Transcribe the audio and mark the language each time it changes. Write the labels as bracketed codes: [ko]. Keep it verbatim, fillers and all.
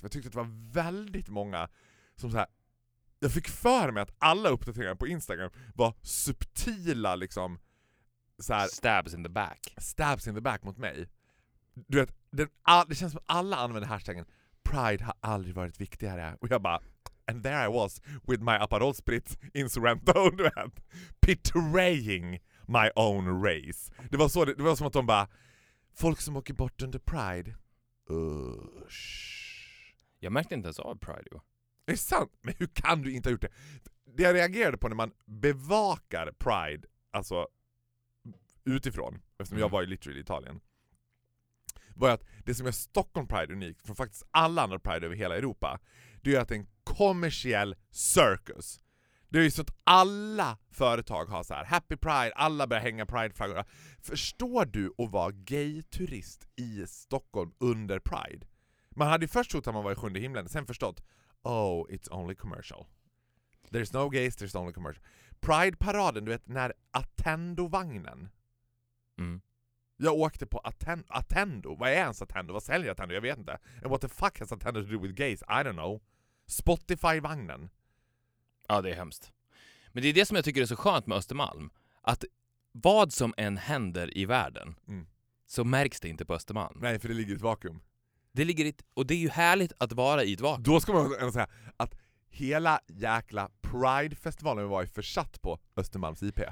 [sv] Jag tyckte att det var väldigt många som så här. Jag fick för mig att alla uppdateringar på Instagram var subtila liksom så här, [en] stabs in the back. Stabs in the back [sv] mot mig. Du vet, den, all, det känns som att alla använder hashtaggen Pride har aldrig varit viktigare. Och jag bara, [en] and there I was with my Aperol Spritz in Sorrento, [sv] du vet. [en] Betraying my own race. [sv] Det var, så, det, det var som att de bara folk som åker bort under Pride. Usch. Jag märkte inte ens av Pride. Jo. Det är sant. Men hur kan du inte ha gjort det? Det jag reagerade på när man bevakar Pride alltså utifrån, eftersom mm. jag var i literally Italien, var att det som är Stockholm Pride unikt från faktiskt alla andra Pride över hela Europa, det är att det är en kommersiell circus. Det är ju så att alla företag har så här Happy Pride, alla börjar hänga Pride-flaggor. Förstår du att vara gay-turist i Stockholm under Pride? Man hade ju först trott att man var i sjunde himlen, sen förstått, [en] oh, it's only commercial. There's no gays, there's only commercial. [sv] Pride-paraden, du vet, när Attendo-vagnen. Mm. Jag åkte på Atten- Attendo. Vad är ens Attendo? Vad säljer Attendo? Jag vet inte. [en] And what the fuck has Attendo to do with gays? I don't know. [sv] Spotify-vagnen. Ja, det är hemskt. Men det är det som jag tycker är så skönt med Östermalm. Att vad som än händer i världen mm. så märks det inte på Östermalm. Nej, för det ligger i ett vakuum. Det ligger i ett, och det är ju härligt att vara i ett vakuum. Då ska man säga att hela jäkla Pride-festivalen var ju försatt på Östermalms I P.